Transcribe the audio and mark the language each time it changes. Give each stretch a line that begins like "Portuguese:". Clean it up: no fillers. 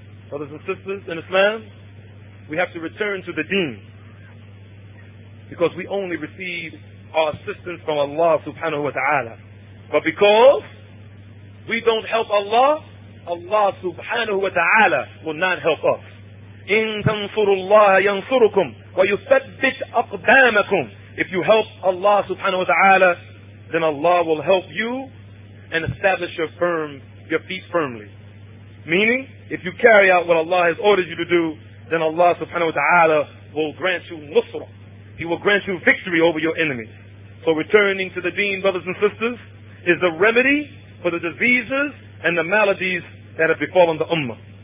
English: Brothers and sisters in Islam, we have to return to the deen. Because we only receive our assistance from Allah subhanahu wa ta'ala. But because we don't help Allah, Allah subhanahu wa ta'ala will not help us.
Arabic: إن تنصروا الله ينصركم ويثبت أقدامكم.
English: If you help Allah subhanahu wa ta'ala, then Allah will help you and establish your feet firmly. Meaning, if you carry out what Allah has ordered you to do, then Allah subhanahu wa ta'ala will grant you nusra. He will grant you victory over your enemies. So returning to the deen, brothers and sisters, is the remedy for the diseases and the maladies that have befallen the ummah.